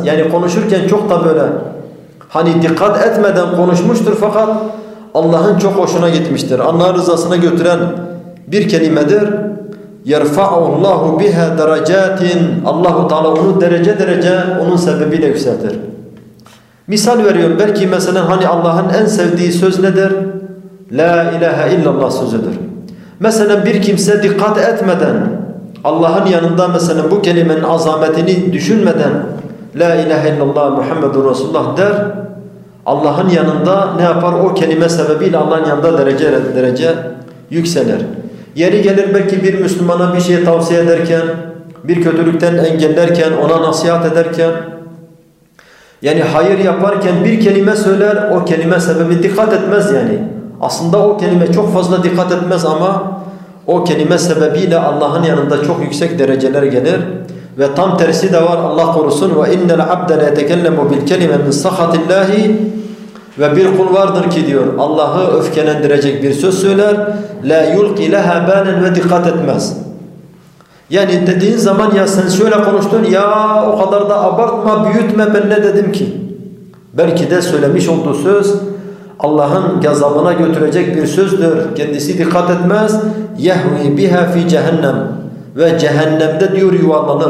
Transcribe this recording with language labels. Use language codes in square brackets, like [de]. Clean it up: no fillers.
[tr] Yani konuşurken çok da böyle, hani dikkat etmeden konuşmuştur fakat Allah'ın çok hoşuna gitmiştir. Allah'ın rızasına götüren bir kelimedir. [ar] يَرْفَعُ اللّٰهُ بِهَا دَرَجَاتٍ [tr] Allah-u Teala onu derece derece onun sebebiyle yükseltir. Misal veriyorum, belki mesela hani Allah'ın en sevdiği söz nedir? [ar] لَا اِلَٰهَ اِلَّا اللّٰهُ [tr] sözüdür. Mesela bir kimse dikkat etmeden, Allah'ın yanında mesela bu kelimenin azametini düşünmeden La ilahe illallah Muhammedun Resulullah der, Allah'ın yanında ne yapar? O kelime sebebiyle Allah'ın yanında derece derece yükselir. Yeri gelir belki bir Müslümana bir şey tavsiye ederken, bir kötülükten engellerken, ona nasihat ederken, yani hayır yaparken bir kelime söyler, o kelime sebebi dikkat etmez yani. Aslında o kelime çok fazla dikkat etmez ama o kelime sebebiyle Allah'ın yanında çok yüksek dereceler gelir. Ve tam tersi de var, Allah korusun. [ar] وَاِنَّ الْعَبْدَ لَيَتَكَلَّمُ بِالْكَلِمَ مِنْ سَخَةِ اللّٰهِ [tr] Ve bir kul vardır ki diyor, Allah'ı öfkelendirecek bir söz söyler. [ar] لَا يُلْقِ لَهَا بَانًا [tr] Ve dikkat etmez. Yani dediğin zaman ya sen şöyle konuştun, ya o kadar da abartma, büyütme, ben ne dedim ki? Belki de söylemiş olduğu söz Allah'ın gazabına götürecek bir sözdür. Kendisi dikkat etmez. [ar] يَهْوِي بِهَا فِي جَهَنَّمْ [tr] Ve cehennemde diyor yuvarlanır.